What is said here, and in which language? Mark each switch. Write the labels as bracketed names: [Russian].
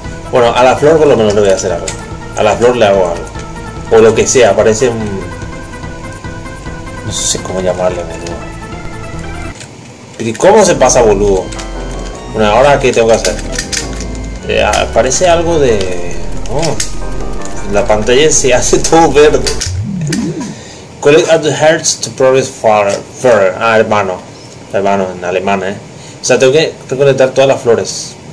[Spanish] Bueno, a la flor por lo menos le voy a hacer algo. A la flor le hago algo. O lo que sea, parece un... No sé cómo llamarle, boludo. ¿Y cómo se pasa, boludo? Bueno, ¿ahora qué tengo que hacer? Parece algo de... La pantalla se hace todo verde. [English] Collect at the hearts to progress further. [Spanish] Ah, hermano. Hermano, en alemán, O sea, tengo que recolectar todas las flores.